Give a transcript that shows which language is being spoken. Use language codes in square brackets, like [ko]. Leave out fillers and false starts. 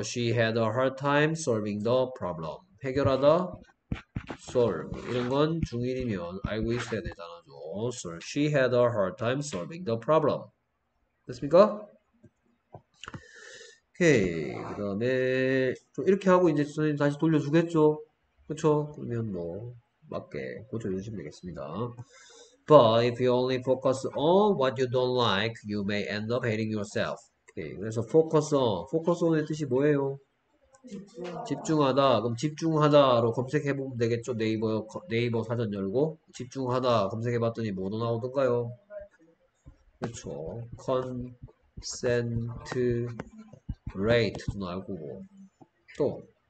[en] She had a hard time solving the problem. [ko] 해결하다. Solve. 이런 건 중인이면 알고 있어야 되잖아. [en] Solve. She had a hard time solving the problem. [ko] 됐습니까? 오케이. 그 다음에, 이렇게 하고 이제 선생님 다시 돌려주겠죠. 그쵸? 그러면 뭐, 맞게 고쳐주시면 되겠습니다. [en] But if you only focus on what you don't like, you may end up hating yourself. [ko] 오케이. 그래서 focus on. focus on의 뜻이 뭐예요? 집중하다. 그럼 집중하다로 검색해보면 되겠죠? 네이버 사전 열고. 집중하다. 검색해봤더니 뭐도 나오던가요? 그쵸. concentrate도 나오고. 또.